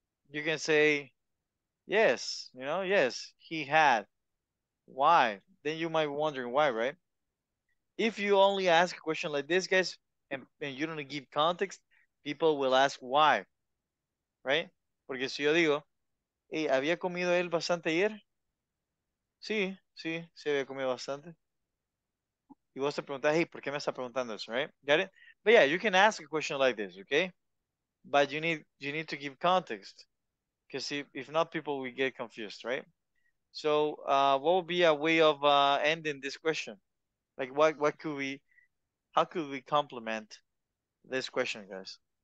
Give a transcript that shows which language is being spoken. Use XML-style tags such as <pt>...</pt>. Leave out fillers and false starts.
<en>You can say, yes, you know, yes, he had. Why? Then you might be wondering why, right? If you only ask a question like this, guys, and you don't give context, people will ask why, right?</en> <es>Porque si yo digo, hey, ¿había comido él bastante ayer? Sí, sí, se había comido bastante. Y vos te preguntas, hey, ¿por qué me está preguntando eso,</es> <en>right? Got it? But yeah, you can ask a question like this, okay? But you need to give context. Because if not, people will get confused, right? So what would be a way of ending this question? Like, what could we, how could we complement this question, guys?</en>